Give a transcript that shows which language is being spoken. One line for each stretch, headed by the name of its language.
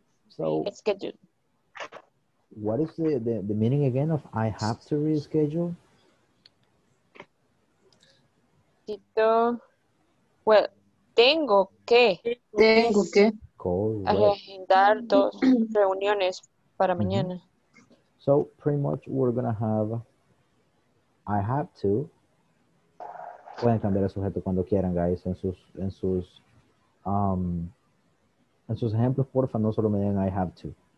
English: So, what is the meaning again of I have to reschedule?
Spanish: Well, tengo que agendar dos reuniones para mañana.
English: So pretty much we're gonna have I have to.
Spanish: Pueden cambiar el sujeto cuando quieran, guys, en sus ejemplos, porfa, no solo me den
English: I have to.